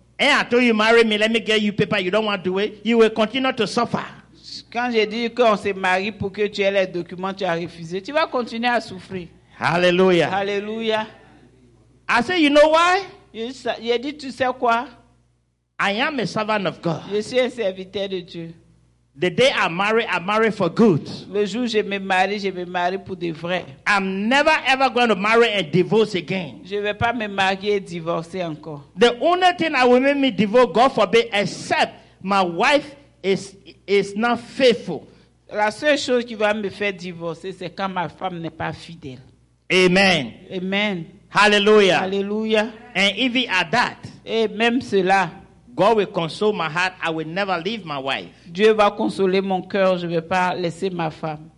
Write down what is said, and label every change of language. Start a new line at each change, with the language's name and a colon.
English: and I told you marry me, let me get you paper, you don't want to do it, you will continue to suffer.
French: Quand j'ai dit qu'on se marie pour que tu aies les documents, tu as refusé. Tu vas continuer à souffrir.
English: Hallelujah.
French: Hallelujah.
English: I said, you know why?
French: J'ai dit, tu sais quoi?
English: I am a servant of God.
French: Je suis un serviteur de Dieu.
English: The day I marry for good.
French: Le jour je me marie pour de vrai.
English: I'm never ever going to marry and divorce again.
French: Je vais pas me marier et divorcer encore.
English: The only thing that will make me divorce, God forbid, except my wife is not faithful.
French: La seule chose qui va me faire divorcer, c'est quand ma femme n'est pas fidèle.
English: Amen.
French: Amen.
English: Hallelujah.
French: Hallelujah.
English: And even at that.
French: Et même cela.
English: God will console my heart. I will never leave my wife.
French: Dieu va consoler mon cœur. Je vais pas laisser ma femme.